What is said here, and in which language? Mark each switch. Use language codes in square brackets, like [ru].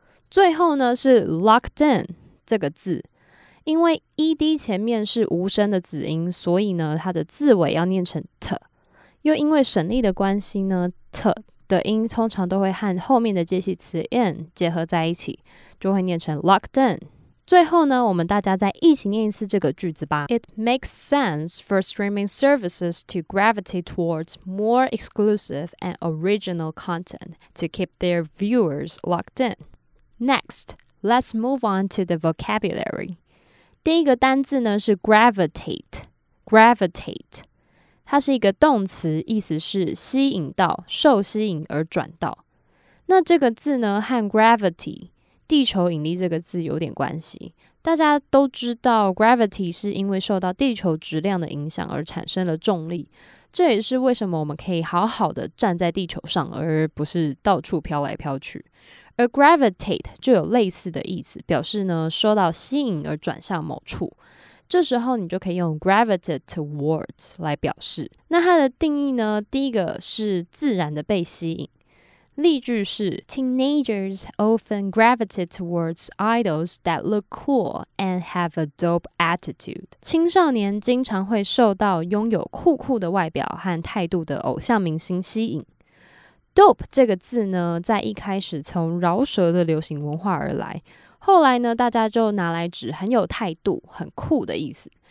[zh] 最后呢是 locked in 这个字，因为 ED 前面是无声的子音，所以呢它的字尾要念成 T， 又因为省力的关系呢 T 的音通常都会和后面的介系词 in 结合在一起，就会念成 locked in。最后呢，我们大家再一起念一次这个句子吧。 [en] It makes sense for streaming services to gravitate towards more exclusive and original content to keep their viewers locked in. Next, let's move on to the vocabulary. [zh] 第一个单字呢是 [en] gravitate. Gravitate. [zh] 它是一个动词，意思是吸引到、受吸引而转到。那这个字呢和 gravity地球引力这个字有点关系，大家都知道 gravity 是因为受到地球质量的影响而产生了重力，这也是为什么我们可以好好的站在地球上而不是到处飘来飘去。而 gravitate 就有类似的意思，表示呢受到吸引而转向某处。这时候你就可以用 gravitated towards 来表示。那它的定义呢，第一个是自然的被吸引。例句是 [en] Teenagers often gravitate towards idols that look cool and have a dope attitude. [zh] 青少年经常会受到拥有酷酷的外表和态度的偶像明星吸引。 Dope 这个字呢，在一开始从饶舌的流行文化而来，后来呢，大家就拿来指很有态度、很酷的意思。